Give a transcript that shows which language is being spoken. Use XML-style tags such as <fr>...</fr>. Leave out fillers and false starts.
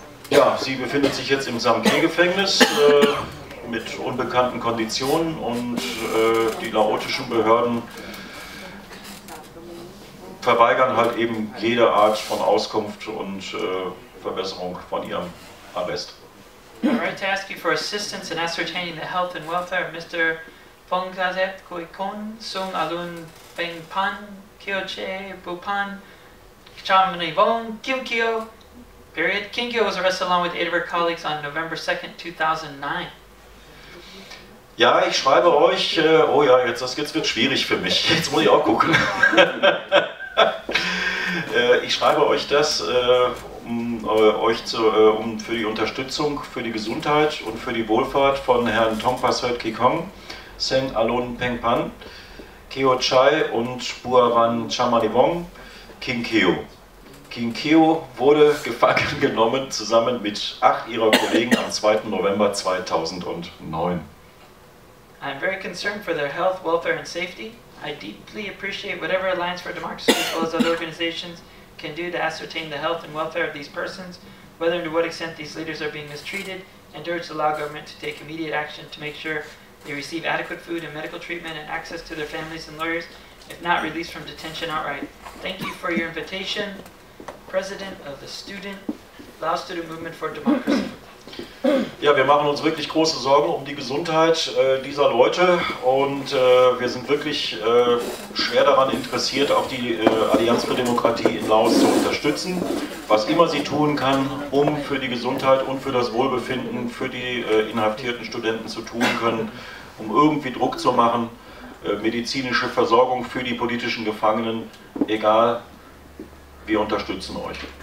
<de>Ja, sie befindet sich jetzt im Samke-Gefängnis mit unbekannten Konditionen und die laotischen Behörden verweigern halt eben jede Art von Auskunft und Verbesserung von ihrem Arrest.</de> <en>I'd like to ask you for assistance in ascertaining the health and welfare of Mr. Phongkhazet Khoikhoon Sung Alun Beng Pan Kyo Che Bupan Chamni Vong Kim Kyo. Period. Kim Kyo was arrested along with 8 of her colleagues on November 2nd, 2009.</en> <de>Ja, ich schreibe euch, oh ja, jetzt wird schwierig für mich. Jetzt muss ich auch gucken. Ich schreibe euch das, um für die Unterstützung für die Gesundheit und für die Wohlfahrt von Herrn Thongpasert Khoikhoon, Seng Alun Peng Pan, Keo Chai und Buawan Chamalivong, King Keo. King Keo wurde gefangen genommen zusammen mit 8 ihrer Kollegen am 2. November 2009.</de> <en>I am very concerned for their health, welfare and safety. I deeply appreciate whatever Alliance for Democracy as well as other organizations can do to ascertain the health and welfare of these persons, whether and to what extent these leaders are being mistreated, and urge the Lao government to take immediate action to make sure they receive adequate food and medical treatment and access to their families and lawyers, if not released from detention outright. Thank you for your invitation, President of the Student Lao Student Movement for Democracy.</en> <de>Ja, wir machen uns wirklich große Sorgen um die Gesundheit dieser Leute und wir sind wirklich schwer daran interessiert, auch die Allianz für Demokratie in Laos zu unterstützen, was immer sie tun kann, um für die Gesundheit und für das Wohlbefinden für die inhaftierten Studenten zu tun können, um irgendwie Druck zu machen, medizinische Versorgung für die politischen Gefangenen, egal, wir unterstützen euch.</de>